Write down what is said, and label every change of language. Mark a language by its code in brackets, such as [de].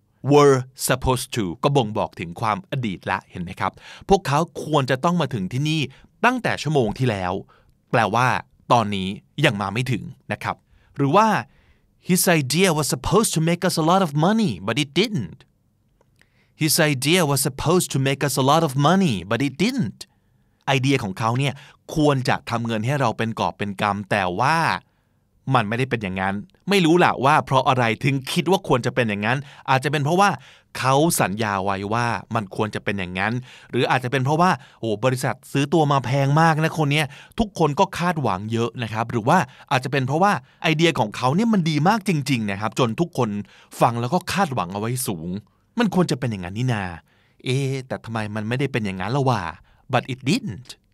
[en] Were supposed to [th] ก็บ่งบอกถึงความอดีตละเห็นไหมครับพวกเขาควรจะต้องมาถึงที่นี่ตั้งแต่ชั่วโมงที่แล้วแปลว่าตอนนี้ยังมาไม่ถึงนะครับหรือว่า [en] His idea was supposed to make us a lot of money, but it didn't. His idea was supposed to make us a lot of money, but it didn't. [th] ไอเดียของเขาเนี่ยควรจะทำเงินให้เราเป็นกอบเป็นกำแต่ว่ามันไม่ได้เป็นอย่างนั้นไม่รู้ล่ะว่าเพราะอะไรถึงคิดว่าควรจะเป็นอย่างนั้นอาจจะเป็นเพราะว่า เขาสัญญาไว้ว่ามันควรจะเป็นอย่างนั้นหรืออาจจะเป็นเพราะว่าโอ้บริษัทซื้อตัวมาแพงมากนะคนนี้ทุกคนก็คาดหวังเยอะนะครับหรือว่าอาจจะเป็นเพราะว่าไอเดียของเขาเนี่ยมันดีมากจริงๆนะครับจนทุกคนฟังแล้วก็คาดหวังเอาไว้สูงมันควรจะเป็นอย่างนั้นนี่นาเอ๊แต่ทำไมมันไม่ได้เป็นอย่างนั้นละว่า [en] but it didn't